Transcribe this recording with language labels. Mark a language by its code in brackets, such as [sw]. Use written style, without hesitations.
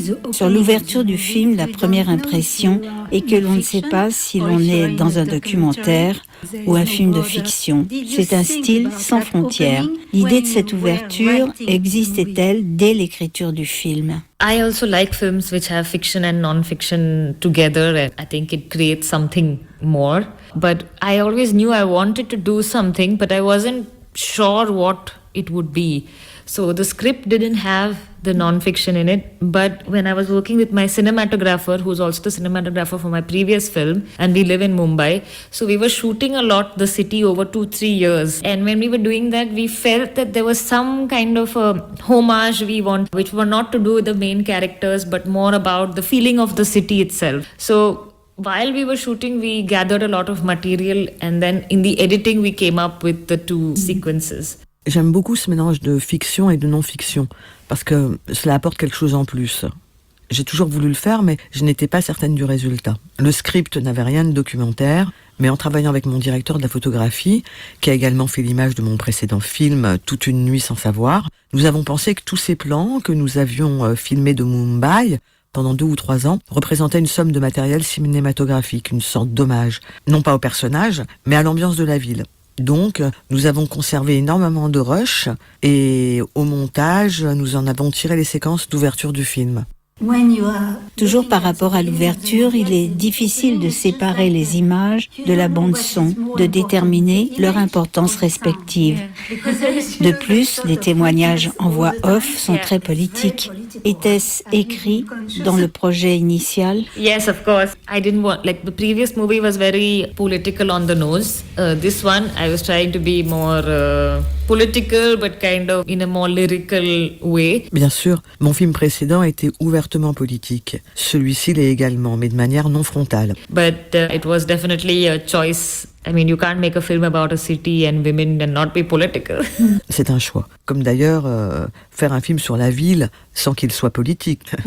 [fr] sur l'ouverture du film, la première impression est que l'on ne sait pas si l'on est dans un documentaire ou un film de fiction. C'est un style sans frontières. L'idée de cette ouverture existait-elle dès l'écriture du film? [en] I also like films which have fiction and non-fiction together. I think it creates something more. But I always knew I wanted to do something, but I wasn't sure what it would be. So the script didn't have the non-fiction in it, but when I was working with my cinematographer, who's also the cinematographer for my previous film, and we live in Mumbai, so we were shooting a lot the city over 2-3 years. And when we were doing that, we felt that there was some kind of a homage we want, which were not to do with the main characters, but more about the feeling of the city itself. So while we were shooting, we gathered a lot of material, and then in the editing, we came up with the two sequences. [fr] J'aime beaucoup ce mélange de fiction et de non-fiction, parce que cela apporte quelque chose en plus. J'ai toujours voulu le faire, mais je n'étais pas certaine du résultat. Le script n'avait rien de documentaire, mais en travaillant avec mon directeur de la photographie, qui a également fait l'image de mon précédent film, Toute une nuit sans savoir, nous avons pensé que tous ces plans que nous avions filmés de Mumbai, pendant 2 ou 3 ans, représentaient une somme de matériel cinématographique, une sorte d'hommage, non pas au personnage, mais à l'ambiance de la ville. Donc, nous avons conservé énormément de rush et au montage, nous en avons tiré les séquences d'ouverture du film. Toujours par rapport à l'ouverture, il est difficile de séparer les images de la bande-son, de déterminer leur importance respective. De plus, les témoignages en voix off sont très politiques. Était-ce écrit dans le projet initial? [en] Yes, of course. I didn't want, like, the previous movie was very political on the nose. This one, I was trying to be more political, but kind of in a more lyrical way. [fr] Bien sûr, mon film précédent était ouvertement politique. Celui-ci l'est également, mais de manière non frontale. [en] But it was definitely a choice. I mean, you can't make a film about a city and women and not be political. [fr] C'est un choix. Comme d'ailleurs, faire un film sur la ville sans qu'il soit politique.